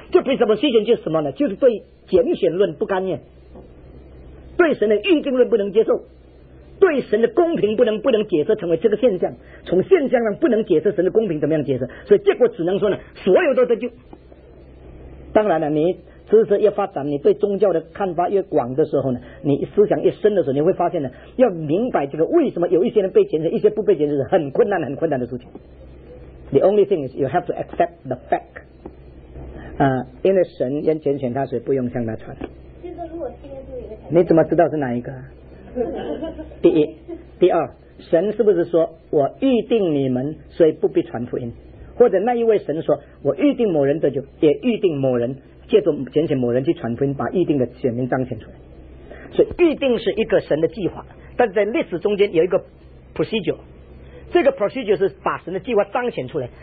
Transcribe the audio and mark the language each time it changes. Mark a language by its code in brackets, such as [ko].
[zh] 这 presupposition 就是什么呢？就是对拣选论不甘愿，对神的预定论不能接受，对神的公平不能解释成为这个现象，从现象上不能解释神的公平怎么样解释，所以结果只能说呢，所有都得救。当然了，你知识越发展，你对宗教的看法越广的时候呢，你思想越深的时候，你会发现呢，要明白这个为什么有一些人被拣选，一些不被拣选是很困难很困难的事情。 [en] The only thing is you have to accept the fact， [zh] 因为神人拣选他，所以不用向他传。如果现在就你怎么知道是哪一个？第一，第二，神是不是说我预定你们，所以不必传福音？或者那一位神说我预定某人得救，也预定某人借着拣选某人去传福音，把预定的选民彰显出来。所以预定是一个神的计划，但是在历史中间有一个 procedure， 这个 procedure 是把神的计划彰显出来。